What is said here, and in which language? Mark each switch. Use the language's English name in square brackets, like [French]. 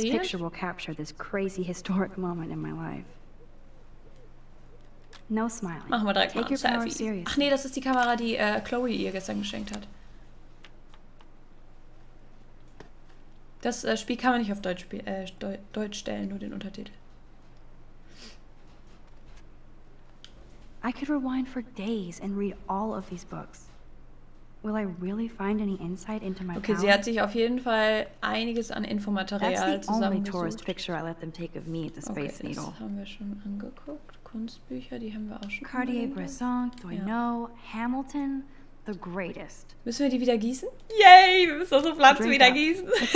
[English] This picture will capture this crazy historic moment in my life. No smiling. [German] Machen wir direkt Take mal ein Selfie. Ach nee, das ist die Kamera, die Chloe ihr gestern geschenkt hat. Das Spiel kann man nicht auf Deutsch, Deutsch stellen, nur den Untertitel. [English] I could rewind for days and read all of these books. Will I really find any insight into my Okay, palette? [German] Sie hat sich auf jeden Fall einiges an Infomaterial zusammengesucht. Okay, das haben wir schon angeguckt. Kunstbücher, die haben wir auch schon [English] Cartier-Bresson, Doineau, Hamilton, the greatest. [German] Müssen wir die wieder gießen? Yay, wir müssen unsere Pflanzen Drink wieder up. Gießen.